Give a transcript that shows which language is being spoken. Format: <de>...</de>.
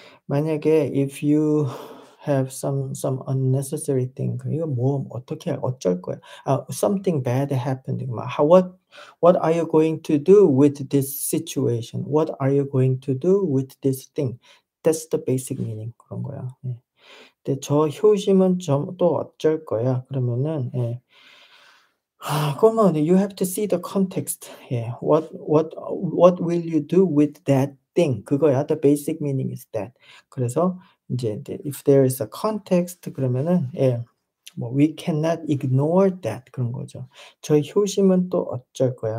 <ko>만약에</ko> <en>if you have some unnecessary thing,</en> <ko>이거 뭐 어떻게 할, 어쩔 거야?</ko> <en>Something bad happened. What are you going to do with this situation? What are you going to do with this thing? That's the basic meaning.</en> <ko>그런 거야. 예. 근데 저 효심은 좀 또 어쩔 거야. 그러면은. 예.</ko> <en>Come on, you have to see the context. Yeah. What will you do with that thing?</en> <ko>그거야.</ko> <en>The basic meaning is that.</en> <ko>그래서 이제</ko> <en>if there is a context</en> <ko>그러면은</ko> <en>yeah. Well, we cannot ignore that</en> <ko>그런 거죠. 저 효심은 또 어쩔 거야.</ko>